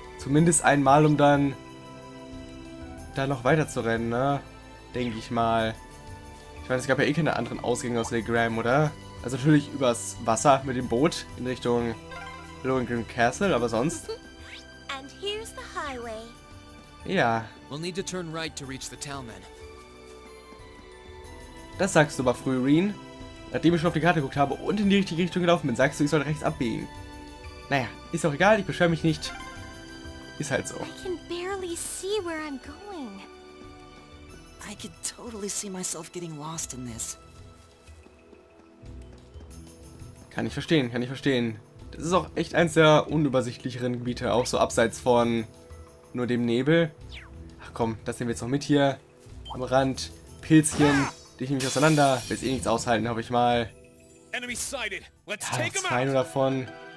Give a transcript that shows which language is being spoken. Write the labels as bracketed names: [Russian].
[German] Zumindest einmal, um dann da noch weiter zu rennen, ne? Denke ich mal. Ich meine, es gab ja eh keine anderen Ausgänge aus Lake Graham, oder? Also natürlich übers Wasser mit dem Boot in Richtung Lohengrim Castle, aber sonst. [English] And here's the highway. [German] Ja. [English] We'll need to turn right to reach the town then. [German] Das sagst du aber früh, Reen. Nachdem ich schon auf die Karte geguckt habe und in die richtige Richtung gelaufen bin, sagst du, ich soll rechts abbiegen. Naja, ist auch egal, ich beschwöre mich nicht. Ist halt so. [English] I can barely see where I'm going. I could totally see myself getting lost in this. [German] Kann ich verstehen, kann ich verstehen. Das ist auch echt eins der unübersichtlicheren Gebiete, auch so abseits von nur dem Nebel. Ach komm, das nehmen wir jetzt noch mit hier. Am Rand, Pilzchen, dich nehme ich auseinander. Willst eh nichts aushalten, hoffe ich mal. [English] Enemy sighted. Let's take them out. [German] Zwei nur davon.